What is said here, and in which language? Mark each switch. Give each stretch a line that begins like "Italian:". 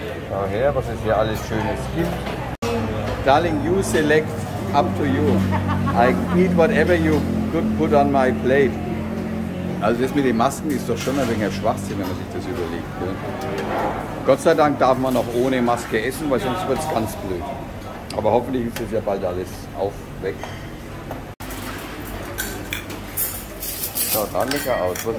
German: Schau her, was es hier alles Schönes gibt.
English: Darling, you select, up to you. I eat whatever you could put on my plate.
German: Also das mit den Masken ist doch schon ein wenig ein Schwachsinn, wenn man sich das überlegt. Ja. Gott sei Dank darf man noch ohne Maske essen, weil sonst wird es ganz blöd. Aber hoffentlich ist es ja bald alles auf, weg. Schaut auch lecker aus.